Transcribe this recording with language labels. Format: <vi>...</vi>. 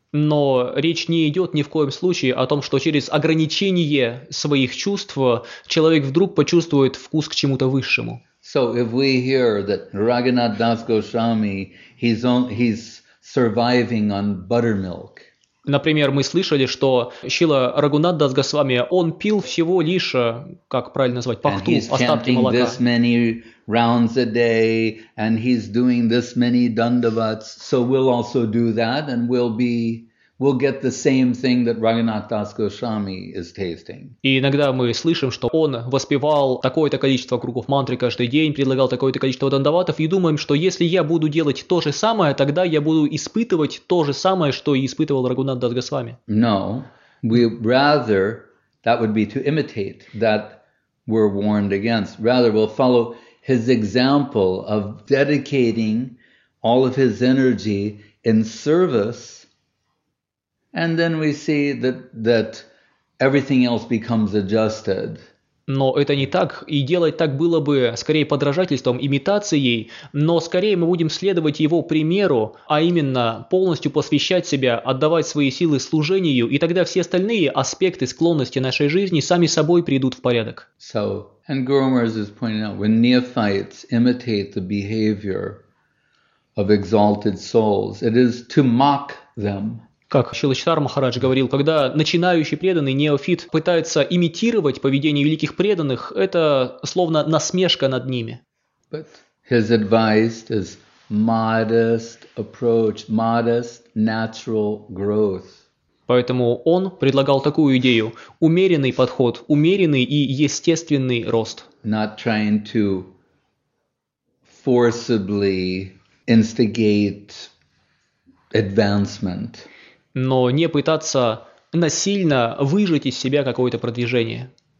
<ru>Но речь не идет ни в коем случае о том, что через ограничение своих чувств человек вдруг почувствует вкус к чему-то высшему.</ru> <en>So if we hear that Raghunath Das Goswami, he's surviving on buttermilk.</en> <ru>Например, мы слышали, что Шрила Рагхунат Дас Госвами, он пил всего лишь, как правильно назвать, пахту, остатки молока.</ru> <en>And he's chanting this many rounds a day, and he's doing this many dandavats, so we'll also do that, and we'll get the same thing that Raghunath Das Goswami is tasting.</en> <ru>И иногда мы слышим, что он воспевал такое-то количество кругов мантры каждый день, предлагал такое-то количество дандаватов, и думаем, что если я буду делать то же самое, тогда я буду испытывать то же самое, что и испытывал Рагхунат Дас Госвами.</ru> <en>No, we rather, that would be to imitate that we're warned against. Rather, we'll follow his example of dedicating all of his energy in service. And then we see that everything else becomes adjusted.</en> <ru>Но это не так, и делать так было бы скорее подражательством, имитацией, но скорее мы будем следовать его примеру, а именно полностью посвящать себя, отдавать свои силы служению, и тогда все остальные аспекты склонности нашей жизни сами собой придут в порядок.</ru> <en>So, and Guru Maharaj is pointing out, when neophytes imitate the behavior of exalted souls, it is to mock them.</en> <ru>Как Шрила Чатара Махарадж говорил, когда начинающий преданный неофит пытается имитировать поведение великих преданных, это словно насмешка над ними.</ru> <en>But his advice is modest approach, modest natural growth.</en> <ru>Поэтому он предлагал такую идею: умеренный подход, умеренный и естественный рост.</ru> <en>Not trying to forcibly instigate advancement. Но не пытаться насильно выжать из себя какое-то продвижение.</en>